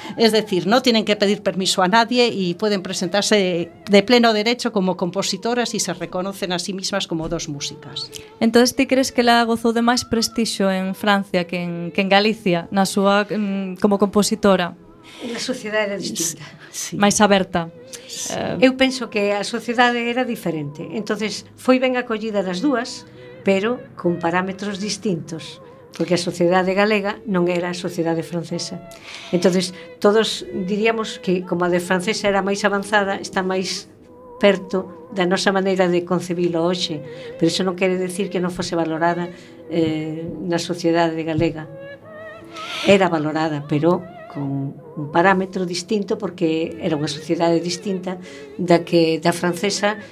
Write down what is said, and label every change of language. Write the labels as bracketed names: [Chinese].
[Spanish] Es decir, no tienen que pedir permiso a nadie y pueden presentarse de pleno derecho como compositoras, y se reconocen a sí mismas como dos músicas. Entonces, ¿tú crees que la gozó de más prestigio en Francia que en Galicia, [Galician] na súa, [Spanish] como compositora? [Galician] La sociedade era distinta. Sí. Máis aberta. Eu penso que a sociedade era diferente. Entonces, foi ben acollida las dúas, pero con parámetros distintos. Porque a sociedade galega non era a sociedade francesa. Entonces, todos diríamos que como a de francesa era máis avanzada, está máis perto da nosa maneira de concebilo hoxe, pero iso non quere decir que non fose valorada na sociedade galega. Era valorada, pero con un parámetro distinto, porque era unha sociedade distinta da que da francesa.